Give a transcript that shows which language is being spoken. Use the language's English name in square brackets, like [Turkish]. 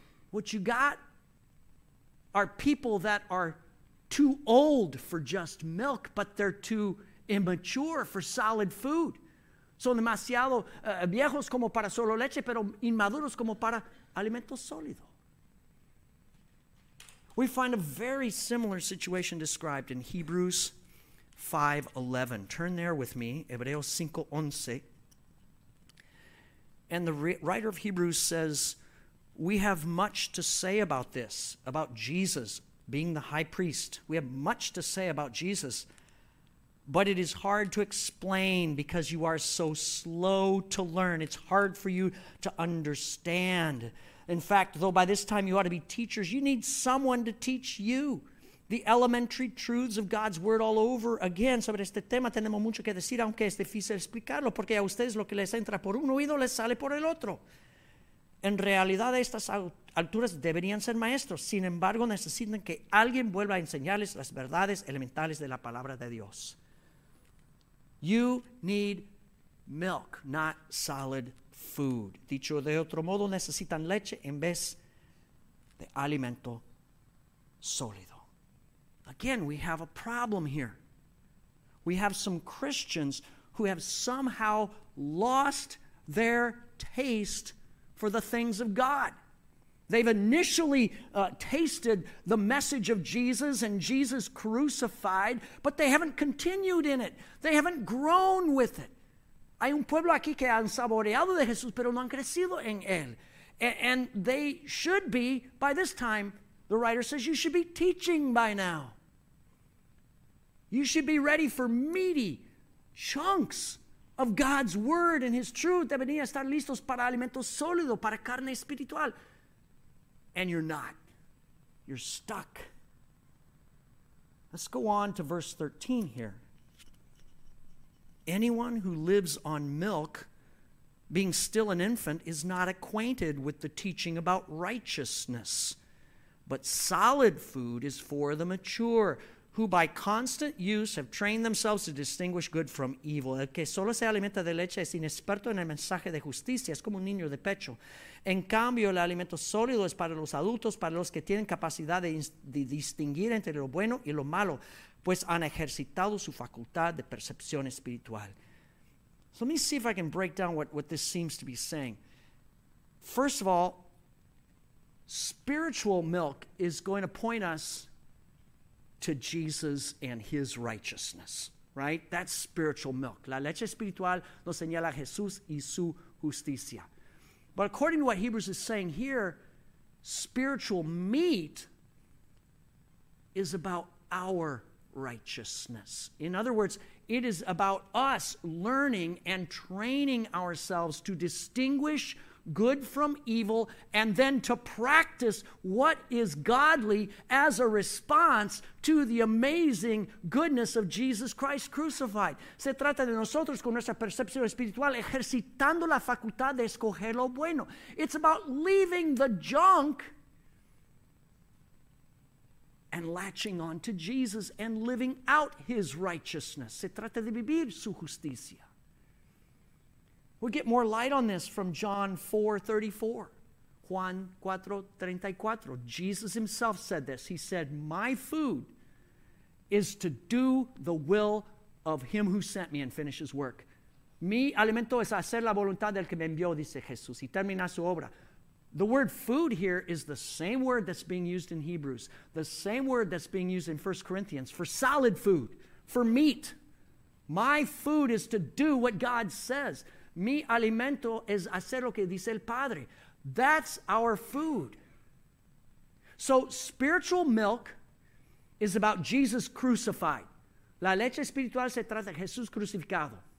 [English] What you got are people that are too old for just milk, but they're too immature for solid food. [Spanish] Son demasiado viejos como para solo leche, pero inmaduros como para alimento sólido. [English] We find a very similar situation described in Hebrews 5:11. Turn there with me, Hebreos 5:11. And the writer of Hebrews says, we have much to say about this, about Jesus being the high priest. We have much to say about Jesus, but it is hard to explain because you are so slow to learn. It's hard for you to understand. In fact, though by this time you ought to be teachers, you need someone to teach you the elementary truths of God's word all over again. [Spanish] Sobre este tema tenemos mucho que decir, aunque es difícil explicarlo, porque a ustedes lo que les entra por un oído les sale por el otro. En realidad, a estas alturas deberían ser maestros. Sin embargo, necesitan que alguien vuelva a enseñarles las verdades elementales de la palabra de Dios. [English] You need milk, not solid food. [Spanish] Dicho de otro modo, necesitan leche en vez de alimento sólido. [English] Again, we have a problem here. We have some Christians who have somehow lost their taste for the things of God. They've initially tasted the message of Jesus and Jesus crucified, but they haven't continued in it. They haven't grown with it. [Spanish] Hay un pueblo aquí que han saboreado de Jesús, pero no han crecido en él. [English] And they should be, by this time, the writer says, you should be teaching by now. You should be ready for meaty chunks of God's word and His truth. [Spanish] Deberían estar listos para alimento sólido, para carne espiritual. [English] and you're not. You're stuck. Let's go on to verse 13 here. Anyone who lives on milk, being still an infant, is not acquainted with the teaching about righteousness. But solid food is for the mature, who by constant use have trained themselves to distinguish good from evil. [Spanish] El que solo se alimenta de leche es inexperto en el mensaje de justicia, es como un niño de pecho. En cambio, el alimento sólido es para los adultos, para los que tienen capacidad de distinguir entre lo bueno y lo malo, pues han ejercitado su facultad de percepción espiritual. [English] So let me see if I can break down what this seems to be saying. First of all, spiritual milk is going to point us to Jesus and his righteousness, right? That's spiritual milk. [Spanish] La leche espiritual nos señala a Jesús y su justicia. [English] But according to what Hebrews is saying here, spiritual meat is about our righteousness. In other words, it is about us learning and training ourselves to distinguish good from evil, and then to practice what is godly as a response to the amazing goodness of Jesus Christ crucified. [Spanish] Se trata de nosotros con nuestra percepción espiritual ejercitando la facultad de escoger lo bueno. [English] It's about leaving the junk and latching on to Jesus and living out his righteousness. [Spanish] Se trata de vivir su justicia. [English] We'll get more light on this from John 4:34. [Spanish] Juan 4:34. [English] Jesus himself said this. He said, my food is to do the will of him who sent me and finish his work. [Spanish] Mi alimento es hacer la voluntad del que me envió, dice Jesús, y terminar su obra. [English] The word food here is the same word that's being used in Hebrews, the same word that's being used in 1 Corinthians for solid food, for meat. My food is to do what God says. [Spanish] Mi alimento es hacer lo que dice el Padre. [English] That's our food. So spiritual milk is about Jesus crucified. [Spanish] La leche espiritual se trata de Jesús crucificado.